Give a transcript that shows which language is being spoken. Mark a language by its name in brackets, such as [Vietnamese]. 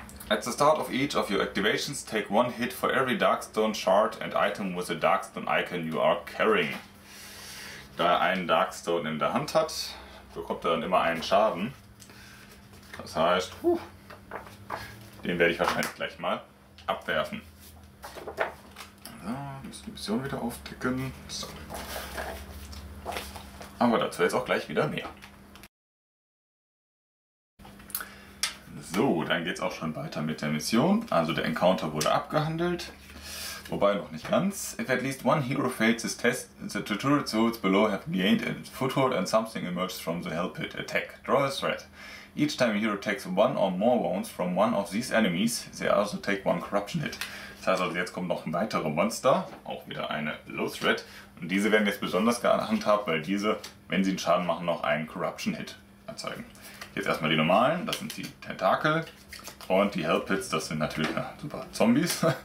[English] At the start of each of your activations, take one hit for every Darkstone shard and item with a Darkstone icon you are carrying. [German] Da er einen Darkstone in der Hand hat, bekommt er dann immer einen Schaden. Das heißt, den werde ich wahrscheinlich gleich mal abwerfen. So, muss die Mission wieder aufticken. So. Aber dazu jetzt auch gleich wieder mehr. So, dann geht's auch schon weiter mit der Mission. Also der Encounter wurde abgehandelt. Wobei noch nicht ganz. [English] If at least one hero fails this test, the tutorial zones below have gained a foothold and something emerges from the hell pit. Attack. Draw a threat. Each time a hero takes one or more wounds from one of these enemies, they also take one corruption hit. [German] Das heißt also, jetzt kommt noch ein weiterer Monster. Auch wieder eine Low Threat. Und diese werden jetzt besonders gehandhabt, weil diese, wenn sie einen Schaden machen, noch einen Corruption Hit erzeugen. Jetzt erstmal die normalen, das sind die Tentakel. Und die Hell Pits, das sind natürlich super Zombies.